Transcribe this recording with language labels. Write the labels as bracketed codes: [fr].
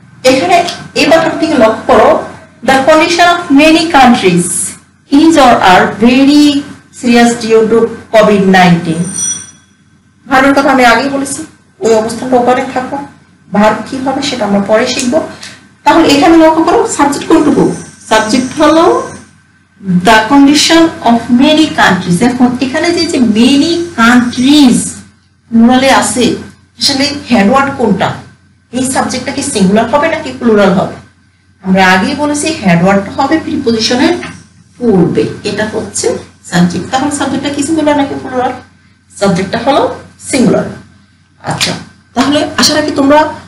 [bn] এখানে এই ব্যাপার থেকে লক্ষ্য করো [en] the condition of many countries is or are very serious due to Covid 19 [bn] Bharat কথা আমি আগে বলেছি ওই অবস্থাটা ওপারে থাকো ভারত কি হবে সেটা আমরা পরে শিখবো তাহলে এখানে লক্ষ্য করো সাবজেক্ট কোনটুকু সাবজেক্ট হলো [en] The condition of many countries. [bn] এখন এখানে যে যে many countries plurale আছে আসলে হেড ওয়ার্ড কোনটা এই সাবজেক্টটা কি সিঙ্গুলার হবে নাকি প্লুরাল হবে আমরা আগেই বলেছি হেড ওয়ার্ডটা হবে প্রিপজিশনের পূর্বে এটা হচ্ছে সাবজেক্ট তাহলে সাবজেক্টটা কি সিঙ্গুলার নাকি প্লুরাল সাবজেক্টটা হলো সিঙ্গুলার আচ্ছা তাহলে আশা রাখি তোমরা